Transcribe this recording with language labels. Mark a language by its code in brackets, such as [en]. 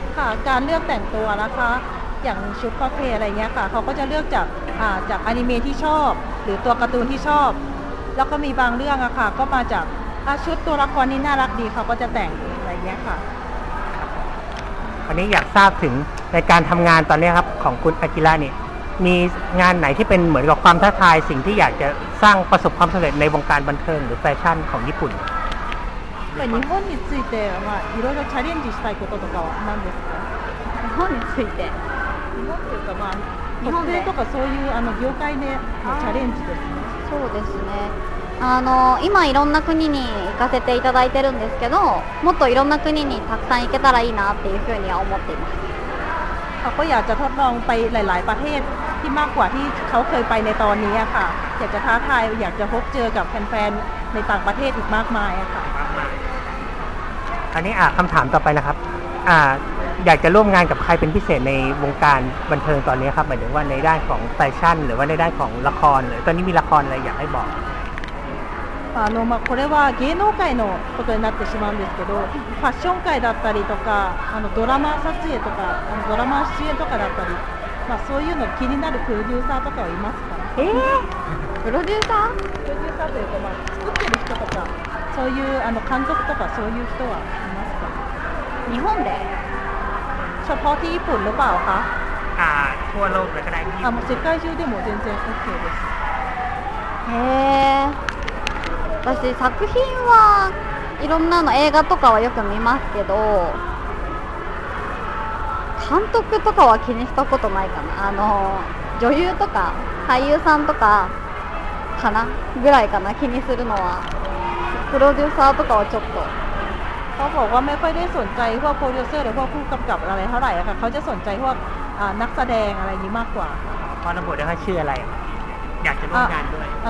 [th] ค่ะ、การเลือกแต่งตัวนะคะ、อย่างชุดคอสเพลย์อะไรเงี้ยค่ะ、เขาก็จะเลือกจากอนิเมะที่ชอบหรือตัวการ์ตูนที่ชอบแล้วก็มีบางเรื่องอะค่ะก็มาจากชุดตัวละครนี่น่ารักดีเขาก็จะแต่งอะไรเงี้ยค่ะ วันนี้อยากทราบถึงในการทำงานตอนนี้ครับของคุณอากิระเนี่ยมีงานไหนที่เป็นเหมือนกับความท้าทายสิ่งที่อยากจะสร้างประสบความสำเร็จในวงการบันเทิงหรือแฟชั่นของญี่ปุ่น [ja] แต่ญี่ปุ่นについてまあいろいろチャレンジしたいこととかは何ですか日本について日本というかまあ日本でとかそういうあの業界でチャレンジですねそうですね。今いろんな国に行かせていただいてるんですけど、もっといろんな国にたくさん行けたらいいなっていうふうには思っています。あ、こうやって試してみたい、いろいろ国 [th] ที่มากกว่าที่เขาเคยไปในตอนนี้ค่ะ。 อยากจะท้าทายอยากจะพบเจอกับแฟนๆในต่างประเทศอีกมากมายค่ะ。 อันนี้คำถามต่อไปนะครับ。 อยากจะร่วมงานกับใครเป็นพิเศษในวงการบันเทิงตอนนี้ครับหมายถึงว่าในด้านของแฟชั่นหรือว่าในด้านของละครหรือตอนนี้มีละครอะไรอยากให้บอก [ja] まあ、これは芸能界のことになってしまうんですけど、ファッション界だったりとか、ドラマ撮影とか、ドラマ出演とかだったり、まあ、そういうの気になるプロデューサーとかはいますか？プロデューサー？プロデューサーというか、まあ、作ってる人とか、そういう監督とかそういう人はいますか？日本で？ [th] เฉพาะที่ญี่ปุ่นหรือเปล่าคะ？ ทั่วโลกเลยก็ได้ [ja] もう世界中でも全然 OK です。へえ。私作品はいろんなの映画とかはよく見ますけど、監督とかは気にしたことないかな。女優とか俳優さんとかかなぐらいかな気にするのは。プロデューサーとかはちょっと。 [th] เขาบอกว่าไม่ค่อยได้สนใจพวกโปรดิวเซอร์หรือพวกผู้กำกับอะไรเท่าไหร่ค่ะเขาจะสนใจพวกนักแสดงอะไรนี้มากกว่า พอระบุได้ว่าชื่ออะไรอยากจะร่วมงานด้วย